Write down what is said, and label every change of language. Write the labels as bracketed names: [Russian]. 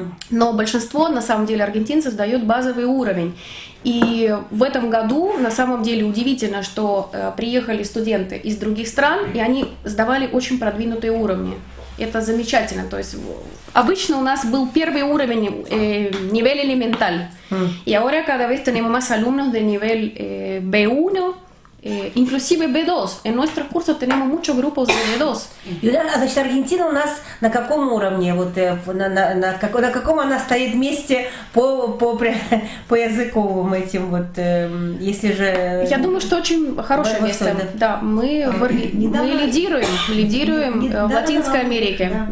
[Russian] Но большинство, на самом деле, аргентинцев сдают базовый уровень. И в этом году, на самом деле, удивительно, что приехали студенты из других стран, и они сдавали очень продвинутые уровни. Это замечательно. То есть обычно у нас был первый уровень [Spanish] nivel elemental. И ahora cada vez tenemos más alumnos de nivel B1, inclusive B2. En nuestros cursos tenemos muchos grupos de B2. [Russian] Юля, а значит, Аргентина у нас на каком уровне? Вот на каком она стоит месте по языковым этим вот, если же. Я думаю, что очень хорошее место. Да, мы лидируем в Латинской Америке, да.